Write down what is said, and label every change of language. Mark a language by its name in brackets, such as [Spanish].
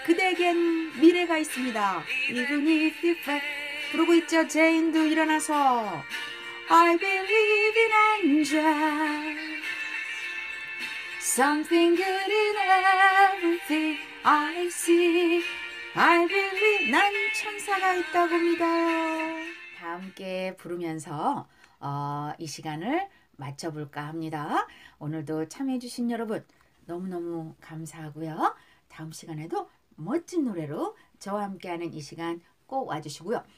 [Korean] 그대에겐 미래가 있습니다. [English] Even if you fail. [Korean] 부르고 있죠, 제인도 일어나서. [English] I believe in angels. Something good in everything I see. I believe. [Korean] 난 천사가 있다고 믿어요. 다 함께 부르면서 이 시간을 마쳐볼까 합니다. 오늘도 참여해주신 여러분 너무너무 감사하고요. 다음 시간에도 멋진 노래로 저와 함께하는 이 시간 꼭 와주시고요.